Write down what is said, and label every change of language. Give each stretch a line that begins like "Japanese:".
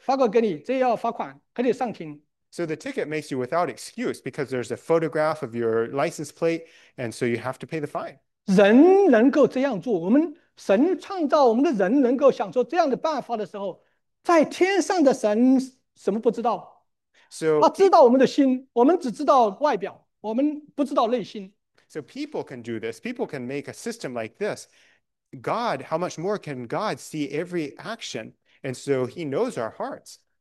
Chinese: 他叫你无口辩驳，他给你一个相片，你的这个车后面有个牌号，发给你，这要罚款，还得上庭。
English: So the ticket makes you without excuse because there's a photograph of your license plate, and so you have to pay the fine.
Chinese: 人能够这样做，我们神创造我们的人能够享受这样的办法的时候，在天上的神什么不知道？他知道我们的心，我们只知道外表，我们不知道内心。So
English: people can do this. People can make a system like this. God, how much more can God see every action? And so he knows our hearts.